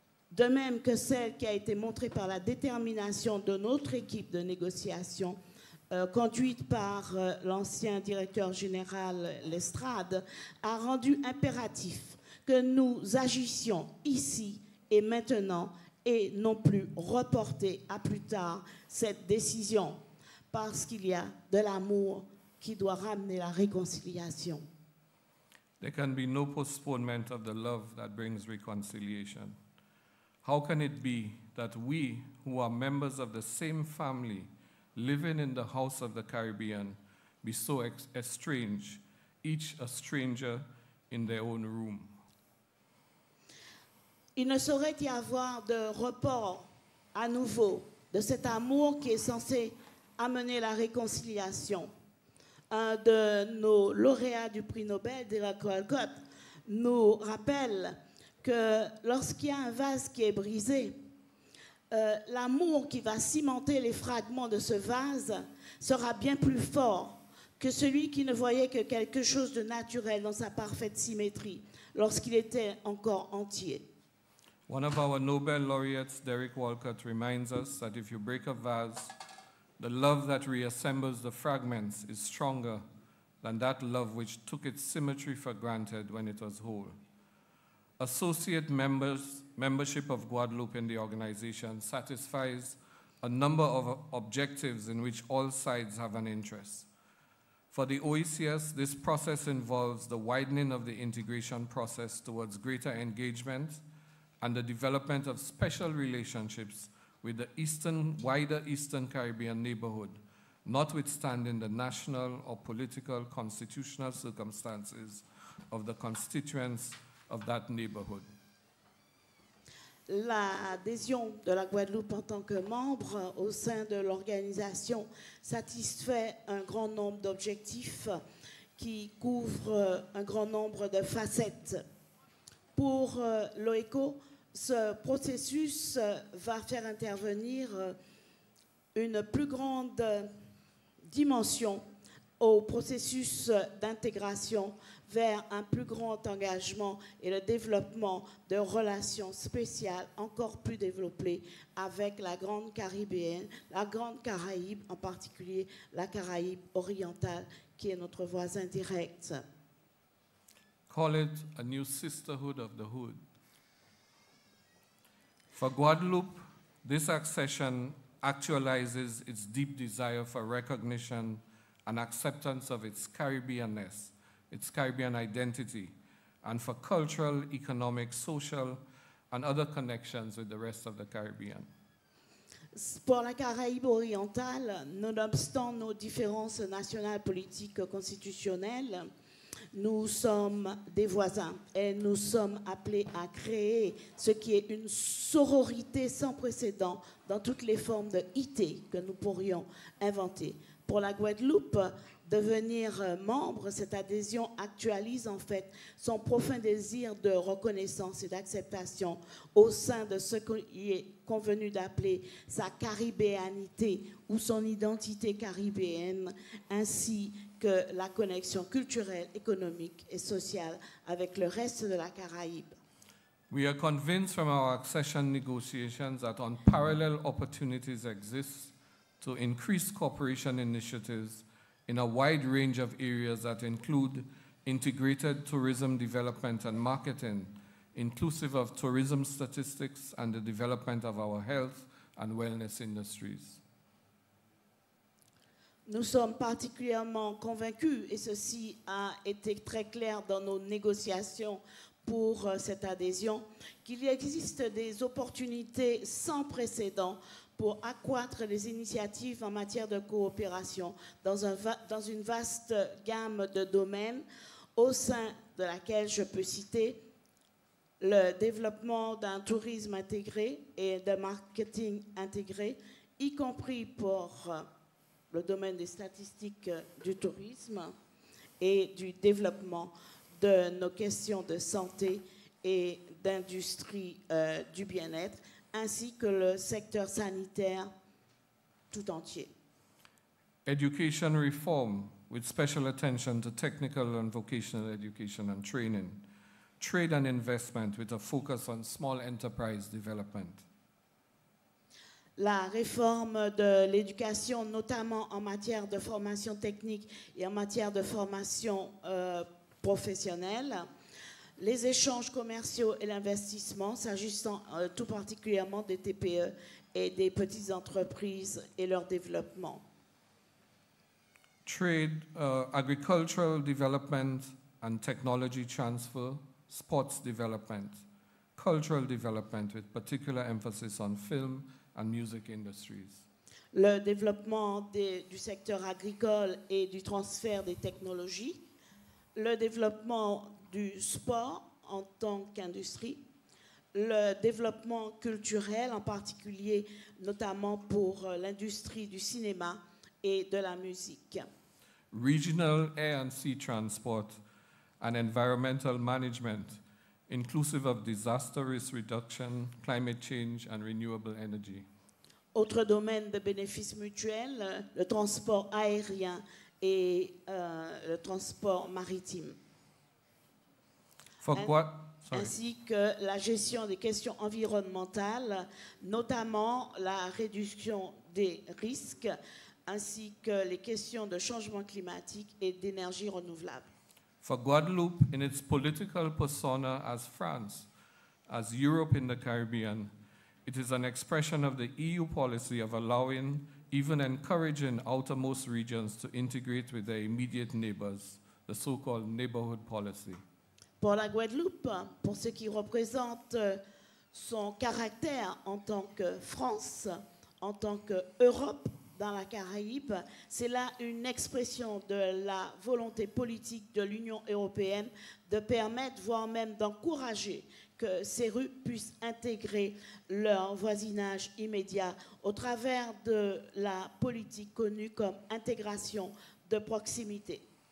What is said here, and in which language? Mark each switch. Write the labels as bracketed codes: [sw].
[fr] de même que celle qui a été montrée par la détermination de notre équipe de négociation, conduite par l'ancien directeur général Lestrade, a rendu impératif que nous agissions ici et maintenant et non plus reporter à plus tard cette décision, parce qu'il y a de l'amour qui doit ramener la réconciliation. [en] There can be no postponement of the love that brings reconciliation. How can it be that we, who are members of the same family, living in the house of the Caribbean, be so estranged, each a stranger in their own room? [fr] Il ne saurait y avoir de report à nouveau de cet amour qui est censé amener la réconciliation. Un de nos lauréats du prix Nobel, Derek Walcott, nous rappelle que lorsqu'il y a un vase qui est brisé, l'amour qui va cimenter les fragments de ce vase sera bien plus fort que celui qui ne voyait que quelque chose de naturel dans sa parfaite symétrie lorsqu'il était encore entier. [en] One of our Nobel laureates, Derek Walcott, reminds us that if you break a vase, the love that reassembles the fragments is stronger than that love which took its symmetry for granted when it was whole. Associate membership of Guadeloupe in the organization satisfies a number of objectives in which all sides have an interest. For the OECS, this process involves the widening of the integration process towards greater engagement and the development of special relationships with the wider Eastern Caribbean neighborhood, notwithstanding the national or political constitutional circumstances of the constituents of that neighborhood. [fr] L'adhésion de la Guadeloupe en tant que membre au sein de l'organisation satisfait un grand nombre d'objectifs qui couvrent un grand nombre de facettes. Pour l'OECO, ce processus va faire intervenir une plus grande dimension au processus d'intégration vers un plus grand engagement et le développement de relations spéciales encore plus développées avec la Grande Caribéenne, la Grande Caraïbe, en particulier la Caraïbe orientale, qui est notre voisin direct. [en] Call it a new sisterhood of the hood. For Guadeloupe, this accession actualizes its deep desire for recognition and acceptance of its Caribbeanness, its Caribbean identity, and for cultural, economic, social, and other connections with the rest of the Caribbean. [fr] Pour la Caraïbe orientale, nonobstant nos différences nationales, politiques, constitutionnelles, nous sommes des voisins et nous sommes appelés à créer ce qui est une sororité sans précédent dans toutes les formes de IT que nous pourrions inventer. Pour la Guadeloupe, devenir membre, cette adhésion actualise en fait son profond désir de reconnaissance et d'acceptation au sein de ce qu'il est convenu d'appeler sa caribéanité ou son identité caribéenne, ainsi que la connexion culturelle, économique et sociale avec le reste de la Caraïbe. [en] We are convinced from our accession negotiations that unparalleled opportunities exist to increase cooperation initiatives in a wide range of areas that include integrated tourism development and marketing, inclusive of tourism statistics and the development of our health and wellness industries. [fr] Nous sommes particulièrement convaincus, et ceci a été très clair dans nos négociations pour cette adhésion, qu'il existe des opportunités sans précédent pour accroître les initiatives en matière de coopération dans une vaste gamme de domaines, au sein de laquelle je peux citer le développement d'un tourisme intégré et d'un marketing intégré, y compris pour le domaine des statistiques du tourisme et du développement de nos questions de santé et d'industrie du bien-être, ainsi que le secteur sanitaire tout entier. [en] Education reform, with special attention to technical and vocational education and training. Trade and investment, with a focus on small enterprise development. [fr] La réforme de l'éducation, notamment en matière de formation technique et en matière de formation professionnelle. Les échanges commerciaux et l'investissement, s'agissant tout particulièrement des TPE et des petites entreprises et leur développement. [en] Trade, agricultural development and technology transfer, sports development, cultural development with particular emphasis on film and music industries. [fr] Le développement du secteur agricole et du transfert des technologies, le développement du sport en tant qu'industrie, le développement culturel, en particulier notamment pour l'industrie du cinéma et de la musique. [en] Regional air and sea transport and environmental management, inclusive of disaster risk reduction, climate change and renewable energy. [fr] Autre domaine de bénéfices mutuels, le transport aérien et le transport maritime. Ainsi que la gestion des questions environnementales, notamment la réduction des risques, ainsi que les questions de changement climatique et d'énergie renouvelable. [en] For Guadeloupe, in its political persona as France, as Europe in the Caribbean, it is an expression of the EU policy of allowing, even encouraging, outermost regions to integrate with their immediate neighbors, the so-called neighborhood policy. [fr] Pour la Guadeloupe, pour ce qui représente son caractère en tant que France, en tant qu'Europe dans la Caraïbe, c'est là une expression de la volonté politique de l'Union européenne de permettre, voire même d'encourager, que ces rues puissent intégrer leur voisinage immédiat au travers de la politique connue comme intégration de proximité.